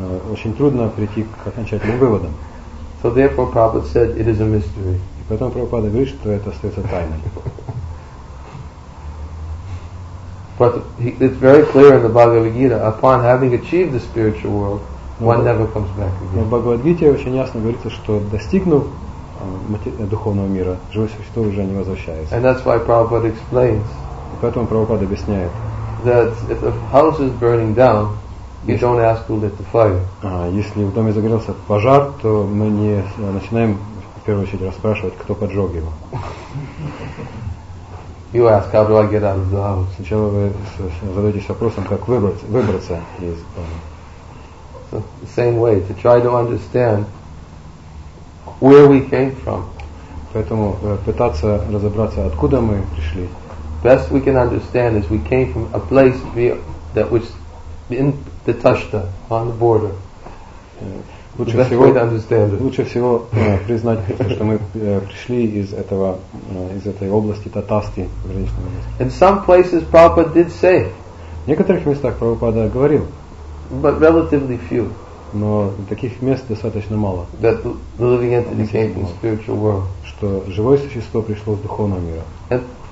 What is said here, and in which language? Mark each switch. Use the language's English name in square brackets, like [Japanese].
[Russian] Очень трудно прийти к окончательным выводам. [English] So therefore, Prabhupada said, it is a mystery. [Russian] И поэтому Прабхупада говорит, что это остается тайной. [English] But it's very clear in the Bhagavad Gita, upon having achieved the spiritual world, one never comes back again. [Russian] В Бхагавад Гите очень ясно говорится, что достигнув духовного мира, живое существо уже не возвращается. [English] And that's why Prabhupada explains. [Russian] И поэтому Прабхупада объясняет. [English] That if a house is burning down, you don't ask who lit the fire. [Russian] Если в доме загорелся пожар, то мы не начинаем в первую очередь расспрашивать, кто поджег его. [English] You ask, how do I get out of the house? [Russian] Сначала вы задаетесь вопросом, как выбраться из дома. [English] So the same way, to try to understand where we came from. [Russian] Поэтому пытаться разобраться, откуда мы пришли. [English] Best we can understand is we came from a place that was in the Tashta, on the border. [Russian] Лучше всего признать, что мы пришли из этой области Татасти, граничной области. [English] In some places Prabhupada did say. [Russian] В некоторых местах Прабхупада говорил. [English] But relatively few. [Russian] Но таких мест достаточно мало. [English] That the living entity came from the spiritual world. [Russian] Что живое существо пришло из духовного мира.